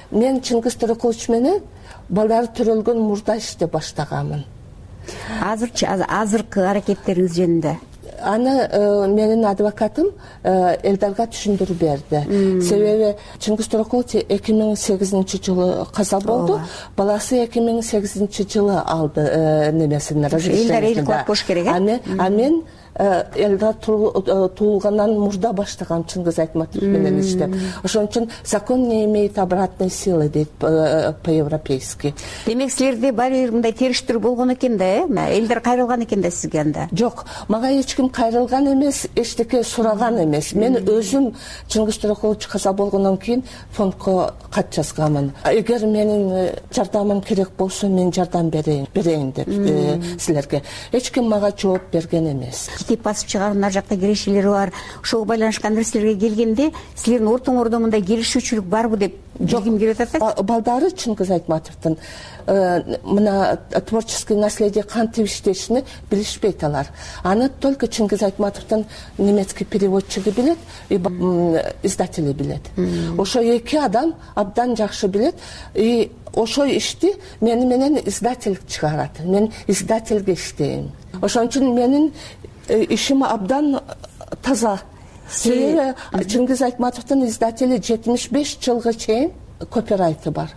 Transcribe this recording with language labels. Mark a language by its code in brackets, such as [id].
[ky] Мен Чыңгыз Туркулович менен балдары төрөлгөн мурда иште баштаганмын. Азырчы азыркы аракеттериңиз жөнүндө аны менин адвокатым Элдарга түшүндүрүп берди. Себеби Чыңгыз Туркулович 2008 жылы каза болду. Баласы 2008 жылы алды немесин разрешение. Элдар эл кылат болуш керек. А мен Элдар туулгандан мурда баштаган Чыңгыз Айтматов менен иштеп. Ошон үчүн [ru] закон не имеет обратной силы [ky] дейт [ru] по-европейски. [ky] Демек силерде баары бир мындай териштирүү болгон экен да, элдер кайрылган экен да сизге анда? Жок, мага эч ким кайрылган эмес, эчтеке сураган эмес. Мен өзүм Чыңгыз Төрөкулович каза болгондон кийин фондко кат жазганмын. Эгер менин жардамым керек болсо, мен жардам берейин деп силерге. Эч ким мага жооп берген эмес. Китеп басып чыгаруу ар жакта кирешелери бар. Ошого байланышкан нерселерге келгенде, силердин ортоңордо мындай келишүүчүлүк барбы деп билгим келип атат. Балдары Чыңгыз Айтматовдун мына [ru] творческий наследие [ky] кантип иштешин билишпейт алар. Аны [ru] только [ky] Чыңгыз Айтматовдун [ru] немецкий [ky] переводчиги билет и издатели билет. Ошо эки адам абдан жакшы билет и ошо ишти мени менен издатель чыгарат. Мен издательге иштейм. Ошон үчүн менин ишим абдан таза. Себеби Чыңгыз Айтматовдун издатели 75 жылга чейин копирайты бар.